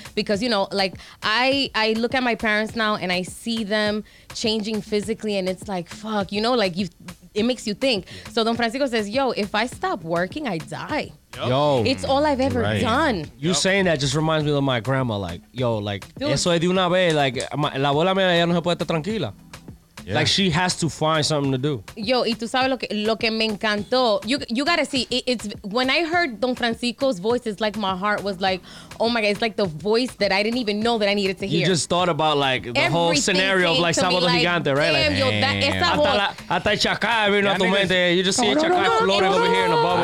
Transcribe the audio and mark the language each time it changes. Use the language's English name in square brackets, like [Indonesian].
[English] Because, you know, like, I look at my parents now, and I see them changing physically, and it's like, fuck, you know, like, you... It makes you think. So Don Francisco says, yo, if I stop working, I die. Yo. It's all I've ever done. You saying that just reminds me of my grandma. Like, yo, like, dude. [Spanish] Eso es de una vez. Like, la abuela mía ya no se puede estar tranquila. [English] Yeah. Like, she has to find something to do. [Spanish] Yo, y tú sabes lo que me encantó. [English] You got to see. It's when I heard Don Francisco's voice, it's like my heart was like, oh, my God. It's like the voice that I didn't even know that I needed to hear. You just thought about, like, the everything whole scenario of, like, Sábado Gigante, right? Damn, like, yo, that, [Spanish] esa hasta el chacay vino a tu mente. [English] You just see a chacay floating over here in the bubble.